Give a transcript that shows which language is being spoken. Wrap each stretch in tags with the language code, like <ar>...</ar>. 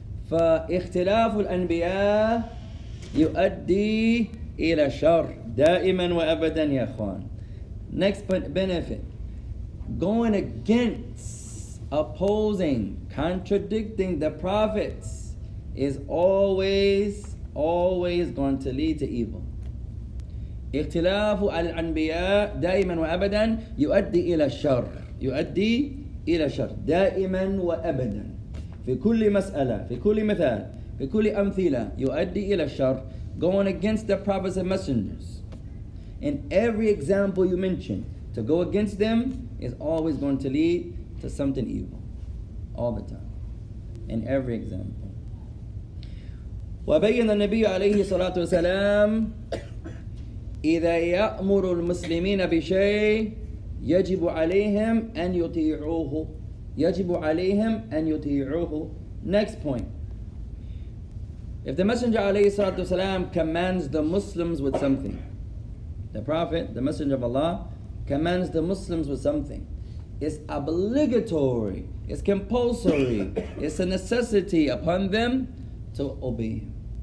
<ar>فَإِخْتِلَافُ الْأَنْبِيَاءِ يُؤَدِّي إِلَى شَرْ دَائِمًا وَأَبَدًا يَا أَخْوَانِ.</ar> <en>Next benefit, going against, opposing, contradicting the prophets is always, always going to lead to evil.</en> <ar>اختلاف الأنبياء دائما وأبدا يؤدي إلى الشر. يؤدي إلى الشر دائما وأبدا. في كل مسألة, في كل مثال, في كل أمثلة يؤدي إلى الشر.</ar> <en>Going against the prophets and messengers. In every example you mention, to go against them is always going to lead to something evil. All the time. In every example.</en> <ar>وبين النبي عليه الصلاة والسلام إذا يأمر المسلمين بشيء يجب عليهم أن يطيعوه. يجب عليهم أن يطيعوه.</ar> <en>Next point. If the Messenger</en> <ar>عليه الصلاة والسلام</ar> <en>commands the Muslims with something, the Prophet, the Messenger of Allah, commands the Muslims with something, it's obligatory, it's compulsory, it's a necessity upon them to obey him.</en>